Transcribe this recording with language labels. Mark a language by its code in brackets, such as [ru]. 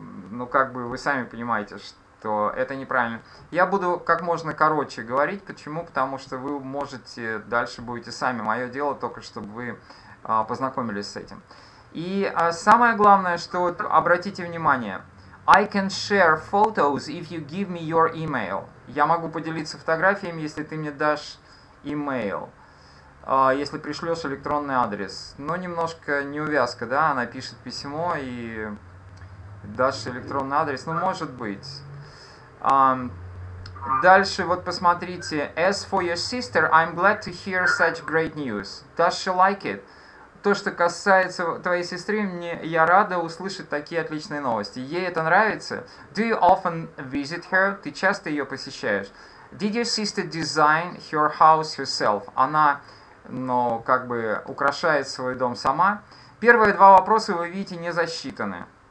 [ru] Ну, как бы вы сами понимаете, что это неправильно. Я буду как можно короче говорить. Почему? Потому что вы можете, дальше будете сами. Мое дело только, чтобы вы познакомились с этим. И самое главное, что вот, обратите внимание. [en] I can share photos if you give me your email. [ru] Я могу поделиться фотографиями, если ты мне дашь email. Если пришлешь электронный адрес. Но немножко неувязка, да? Она пишет письмо и дашь электронный адрес. Ну, может быть. Дальше вот посмотрите. [en] As for your sister, I'm glad to hear such great news. Does she like it? [ru] То, что касается твоей сестры, мне я рада услышать такие отличные новости. Ей это нравится? [en] Do you often visit her? [ru] Ты часто ее посещаешь? [en] Did your sister design her house herself? [ru] Она... но как бы украшает свой дом сама. Первые два вопроса, вы видите, не засчитаны.